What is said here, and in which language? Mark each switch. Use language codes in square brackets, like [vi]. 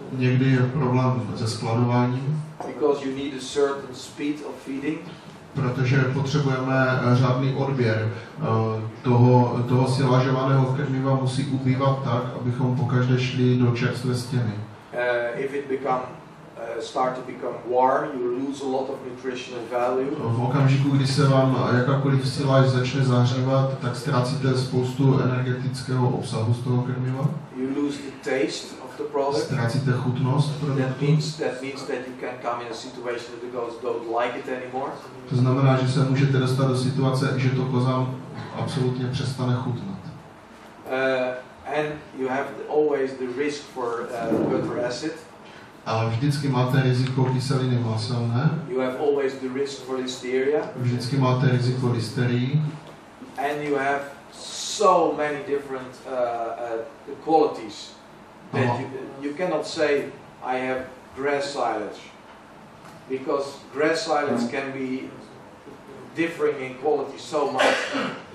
[cs] Někdy je problém se skladováním. [en] Because you need a certain speed of feeding. [cs] Protože potřebujeme řádný odběr toho silažovaného krmiva musí ubývat tak, abychom pokaždé šli do čerstvé stěny. [en] If it become start to become warm, you lose a lot of nutritional value. [cs] V okamžiku, kdy se vám jakákoliv siláž začne zahřívat, tak ztrácíte spoustu energetického obsahu z toho krmiva. [en] You lose the taste of the product. [cs] Ztrácíte chutnost produktu. [en] That means that you can come in a situation that the goats don't like it anymore. [cs] To znamená, že se můžete dostat do situace, že to kozám absolutně přestane chutnat. [en] And you have always the risk for gutter acid. [cs] A vždycky máte riziko kyseliny maselné. [en] You have always the risk for listeria. [cs] Vždycky máte riziko listerii. [en] And you have so many different qualities that you cannot say I have grass silage because grass silage can be differing in quality so much.